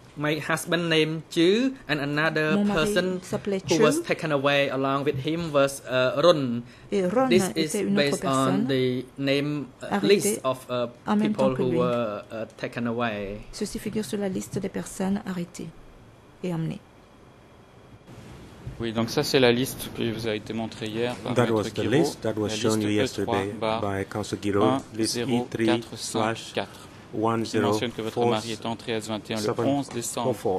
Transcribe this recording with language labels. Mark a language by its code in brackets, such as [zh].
[en] My husband named Chu and another person who was taken away along with him was Run. Run. This is based on the name list of people who were taken away. [fr] Ceci figure sur la liste des personnes arrêtées et emmenées. Oui, donc ça c'est la liste qui vous a été montrée hier par [en] that [fr] Maître Guiraud. [en] List that was shown you yesterday by Counsel Guiraud, list E3/4. [fr] Qui mentionne que votre mari est entré à S21 le 11 décembre